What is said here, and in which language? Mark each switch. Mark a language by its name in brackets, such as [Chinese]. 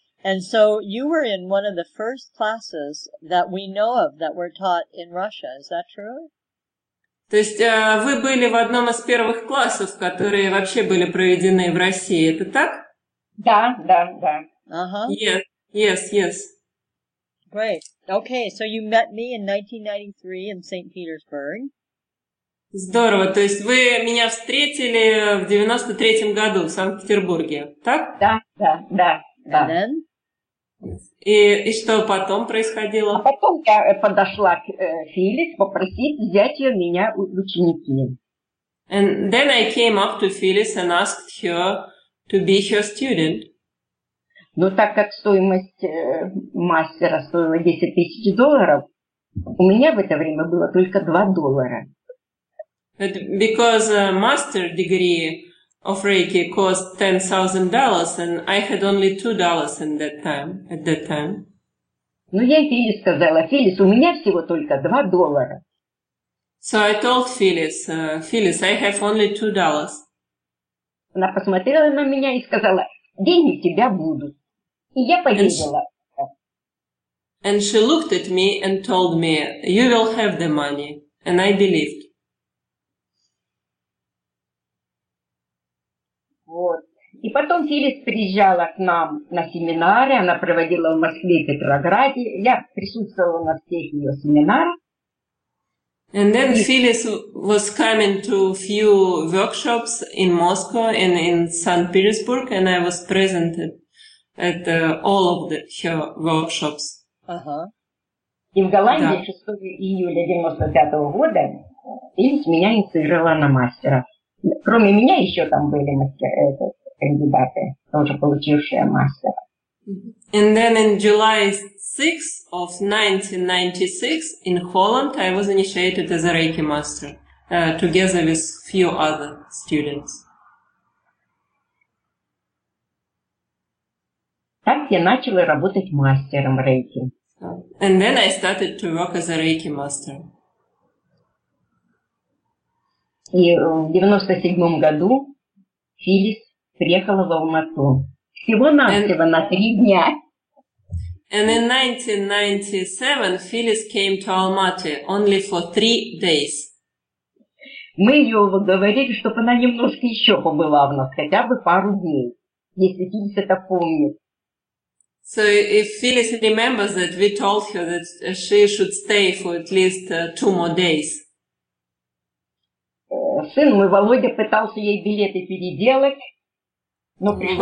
[English] And so you were in one of the first classes that we know of that were taught in Russia. Is that true? [Russian] То есть вы были в одном из первых классов, которые вообще были проведены в России. Это так? Да. Uh-huh. [English] Yes. Great. Okay, so you met me in 1993 in St. Petersburg. [Russian] Здорово. То есть вы меня встретили в 93-м году в Санкт-Петербурге, так? Да. [English] And then? [Russian] И что потом происходило? А потом я подошла к Филис попросить взять ее меня ученики. [English] And then I came up to Phyllis and asked her to be her student. [Russian] Ну, так как стоимость мастера стоила 10 тысяч долларов, у меня в это время было только 2 доллара. [English] But because a master degree of Reiki cost $10,000, and I had only $2 in that time. [Russian] Ну я Филис сказала, Филис, у меня всего только $2. [English] So I told Филис, Филис, I have only $2. [Russian] Она посмотрела на меня и сказала, деньги у тебя будут, и я поверила. [English] And she looked at me and told me, you will have the money, and I believed. [Russian] И потом Филис приезжала к нам на семинары, она проводила в Москве и Петрограде. Я присутствовала на всех ее семинарах. [English] And then Филис was coming to a few workshops in Moscow and in St. Petersburg, and I was present at all of the, her workshops. Uh-huh. [Russian] И в Голландии 6 июля 95 года Филис меня инициировала на мастера. Кроме меня еще там были мастера. Кандидаты, тоже получившие мастера. [English] And then in July 6 of 1996 in Holland I was initiated as a Reiki master together with few other students. [Russian] Так я начала работать мастером Рейки. [English] And then I started to work as a Reiki master. [Russian] И в 97 году Филис приехала в Алмату. Всего-навсего на 3 дня. [English] And in 1997 Филис came to Almaty only for 3 days. [Russian] Мы ее говорили, чтобы она немножко еще побыла у нас, хотя бы пару дней, если Филис это помнит. [English] So if Phyllis remembers that, we told her that she should stay for at least two more days. [Russian] Сын мой Володя пытался ей билеты переделать, но